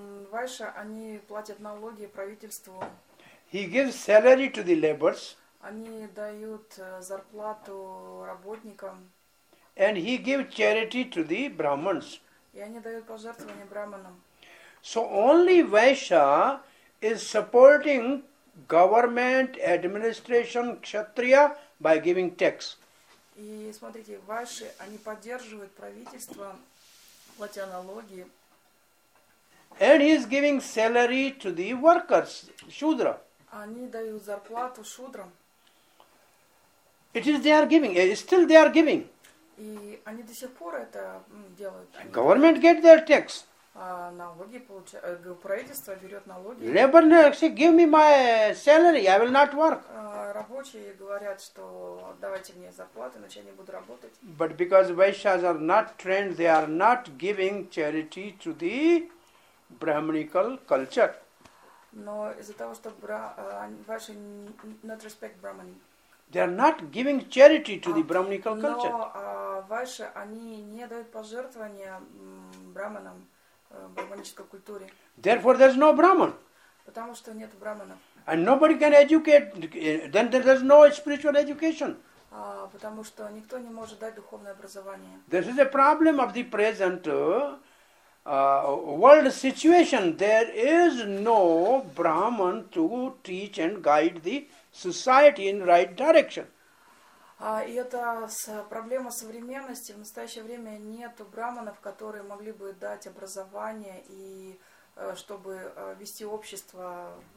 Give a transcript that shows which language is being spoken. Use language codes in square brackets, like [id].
[ru] Вайша, они платят налоги правительству. [en] He gives salary to the laborers. [ru] Они дают зарплату работникам. [en] And he gives charity to the brahmins. [ru] И они дают пожертвования брахманам. [en] So only Vaisha is supporting government administration kshatriya by giving tax. [ru] И смотрите, Вайши, они поддерживают правительство, платя налоги. [en] And he is giving salary to the workers, Shudra. [ru] Они дают зарплату шудрам. [en] It is they are giving. Still they are giving. [ru] И они до сих пор это делают. [en] Government get their tax. [ru] Налоги получают. Правительство берет налоги. [en] Labor actually give me my salary. I will not work. [ru] Рабочие говорят, что давайте мне зарплату, иначе я не буду работать. [en] But because Vaishyas are not trained, they are not giving charity to the Brahminical culture. [ru] Но из-за того, что ваши [en] not respect Brahmin. They are not giving charity to the Brahminical culture. [ru] Но ваши они не дают пожертвования браманам, брахманической культуре. [en] Therefore, there is no Brahman. [ru] Потому что нет браманов. [en] And nobody can educate. Then there is no spiritual education. [ru] Потому что никто не может дать духовное образование. [en] This is a problem of the present. World situation, there is no Brahman to teach and guide the society in right direction. [ru] И это проблема современности. В настоящее время нету Брахманов, которые могли бы дать образование и чтобы вести общество.